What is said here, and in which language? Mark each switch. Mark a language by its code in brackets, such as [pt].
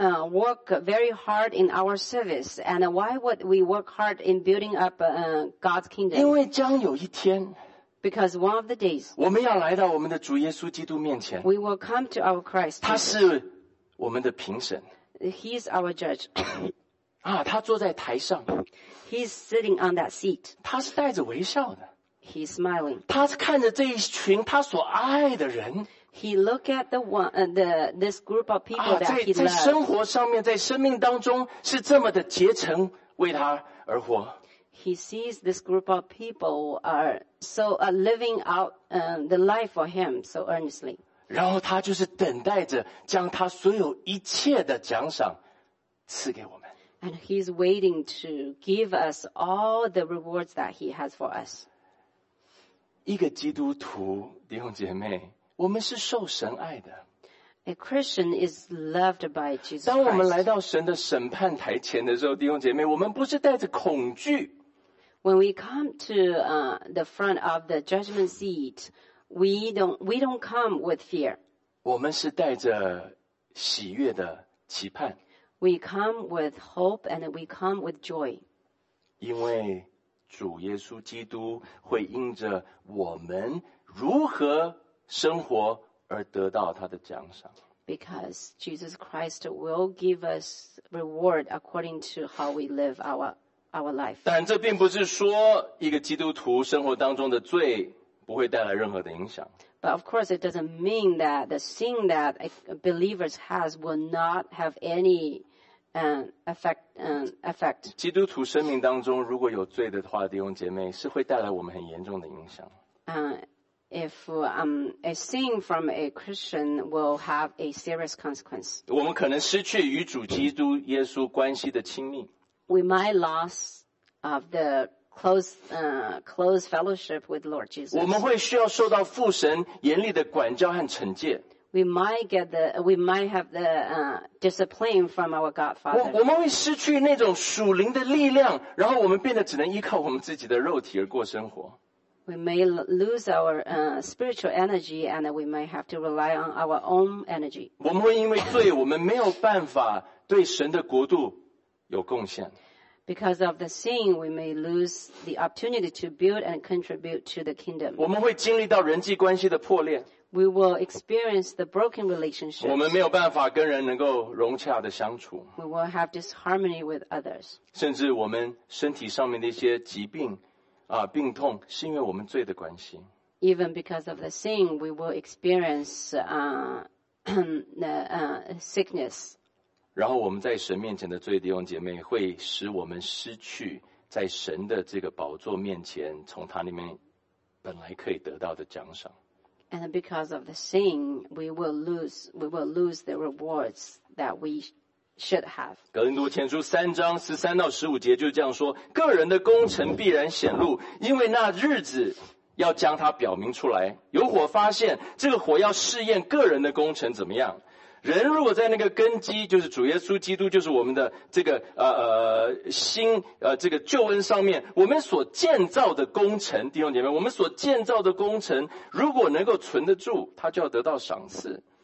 [en] Work very hard in our service, and why would we work hard in building up God's kingdom? [zh] 因为将有一天 [en] ，because one of the days， [zh] 我们要来到我们的主耶稣基督面前。 [en] We will come to our Christ. [zh] 他是我们的评审。 [en] He is our judge. [zh] 他坐在台上。 [en] He's sitting on that seat. [zh] 他是带着微笑的。 [en] He's smiling. [zh] 他是看着这一群他所爱的人。 [en] He look at the one, this group of people that he loves. [zh] 在生活上面，在生命当中是这么的竭诚为他而活。 [en] He sees this group of people are so living out the life for him so earnestly. [zh] 然后他就是等待着将他所有一切的奖赏赐给我们。 [en] And he's waiting to give us all the rewards that he has for us. [zh] 一个基督徒，弟兄姐妹。我们是受神爱的。 [en] A Christian is loved by Jesus Christ. [zh] 当我们来到神的审判台前的时候，弟兄姐妹，我们不是带着恐惧。 [en] When we come to the front of the judgment seat, we don't come with fear. [zh] 我们是带着喜悦的期盼。 [en] We come with hope and we come with joy. [zh] 因为主耶稣基督会因着我们如何生活而得到他的奖赏。 [en] Because Jesus Christ will give us reward according to how we live our life. [zh] 但这并不是说一个基督徒生活当中的罪不会带来任何的影响。 [en] But of course, it doesn't mean that the sin that believers has will not have any effect. [zh] 基督徒生命当中如果有罪的话，弟兄姐妹，是会带来我们很严重的影响。 [en] If a sin from a Christian will have a serious consequence. [zh] 我们可能失去与主基督耶稣关系的亲密。 [en] We might lose of the close fellowship with Lord Jesus. [zh] 我们会需要受到父神严厉的管教和惩戒。 [en] We might have the discipline from our Godfather. [zh] 我们会失去那种属灵的力量，然后我们变得只能依靠我们自己的肉体而过生活。 [en] We may lose our spiritual energy, and we may have to rely on our own energy. [zh] 我们会因为罪，我们没有办法对神的国度有贡献。 [en] Because of the sin, we may lose the opportunity to build and contribute to the kingdom. [zh] 我们会经历到人际关系的破裂。 [en] We will experience the broken relationships. [zh] 我们没有办法跟人能够融洽的相处。 [en] We will have disharmony with others. [zh] 甚至我们身体上面的一些疾病啊，病痛是因为我们罪的关系。 [en] Even because of the sin, we will experience sickness. [zh] 然后我们在神面前的罪，弟兄姐妹，会使我们失去在神的这个宝座面前，从他里面本来可以得到的奖赏。 [en] And because of the sin, we will lose the rewards that we should have. [zh] 格林多前书三章十三到十五节就这样说：个人的功成必然显露，因为那日子要将它表明出来。有火发现，这个火要试验个人的功成怎么样。人如果在那个根基，就是主耶稣基督，就是我们的这个心这个救恩上面，我们所建造的工程，弟兄姐妹，我们所建造的工程如果能够存得住，他就要得到赏赐。